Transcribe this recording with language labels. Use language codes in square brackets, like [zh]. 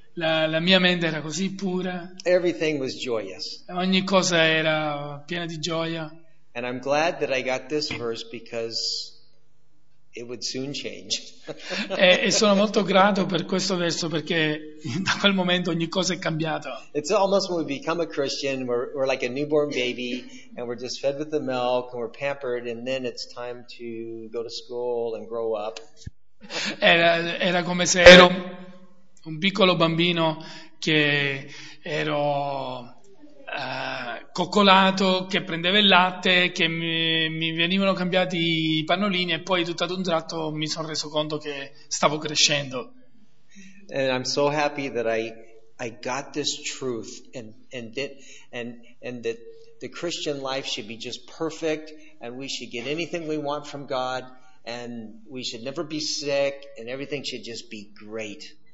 [it] La mia mente era così pura. [en] Everything was joyous. [it] Ogni cosa era piena di gioia. [en] And I'm glad that I got this verse because it would soon change. [it] E sono molto grato per questo verso perché da quel momento ogni cosa è cambiata. [en] It's almost when we become a Christian, we're like a newborn baby and we're just fed with the milk and we're pampered and then it's time to go to school and grow up. [it] Era come se ero un piccolo bambino che ero coccolato, che prendeva il latte, che mi venivano cambiati i pannolini e poi tutto ad un tratto mi sono reso conto che stavo crescendo. [en] And I'm so happy that I got this truth and that the Christian life should be just perfect and we should get anything we want from God and we should never be sick and everything should just be great.